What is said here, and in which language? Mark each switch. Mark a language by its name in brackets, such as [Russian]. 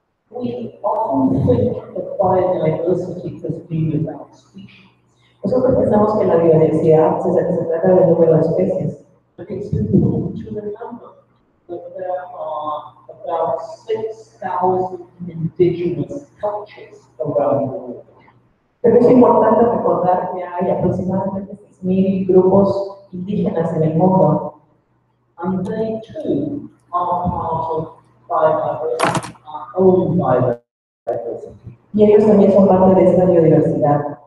[English] We often think that biodiversity has been about species. [Spanish] Nosotros pensamos que la biodiversidad se trata del número de especies. [English] But it's important to remember that there are about 6,000 indigenous cultures around the world. [Spanish] Pero es importante recordar que hay aproximadamente 6,000 grupos indígenas en el mundo. [English] And they too are part of biodiversity, our own biodiversity. [Spanish] Y ellos también son parte de esta biodiversidad.